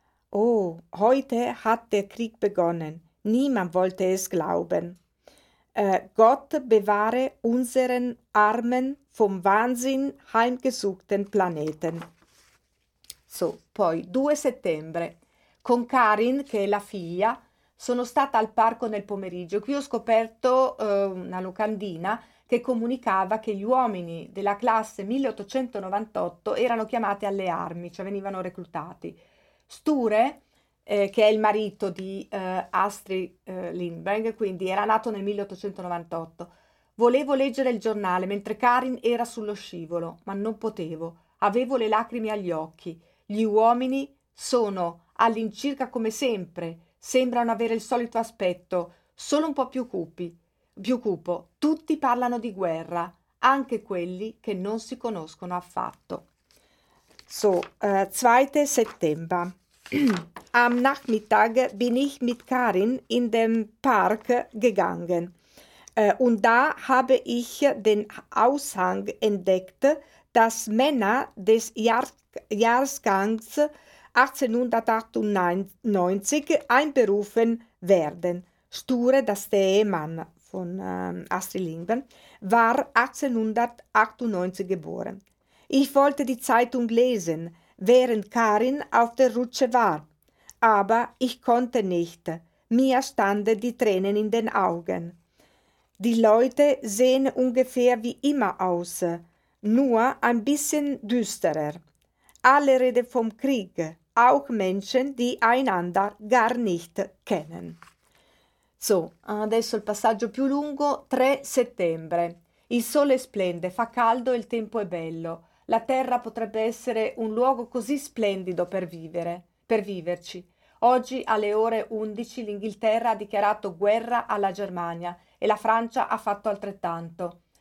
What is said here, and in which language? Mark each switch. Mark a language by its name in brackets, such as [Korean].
[German] Oh, heute hat der Krieg begonnen. Niemand wollte es glauben. Gott bewahre unseren armen, vom Wahnsinn heimgesuchten Planeten. [Italian] So, poi 2 settembre. Con Karin, che è la figlia, sono stata al parco nel pomeriggio. Qui ho scoperto una locandina che comunicava che gli uomini della classe 1898 erano chiamati alle armi, cioè venivano reclutati. Sture, che è il marito di Astrid Lindgren, quindi era nato nel 1898, volevo leggere il giornale mentre Karin era sullo scivolo, ma non potevo, avevo le lacrime agli occhi. Gli uomini sono all'incirca come sempre, sembrano avere il solito aspetto, solo un po' più cupo. Tutti parlano di guerra, anche quelli che non si conoscono affatto. [German] So, 2. Settembre. Am Nachmittag bin ich mit Karin in den Park gegangen. Und da habe ich den Aushang entdeckt, dass Männer des Jahrgangs 1898 einberufen werden. Sture, das der Ehemann von Astrid Lindgren, war 1898 geboren. Ich wollte die Zeitung lesen, während Karin auf der Rutsche war. Aber ich konnte nicht. Mir standen die Tränen in den Augen. Die Leute sehen ungefähr wie immer aus, nur ein bisschen düsterer. Alle reden vom Krieg, auch Menschen, die einander gar nicht kennen. [Italian] So, adesso il passaggio più lungo, 3 settembre. Il sole splende, fa caldo e il tempo è bello. La terra potrebbe essere un luogo così splendido per vivere, per viverci. Oggi alle ore 11 l'Inghilterra ha dichiarato guerra alla Germania e la Francia ha fatto altrettanto.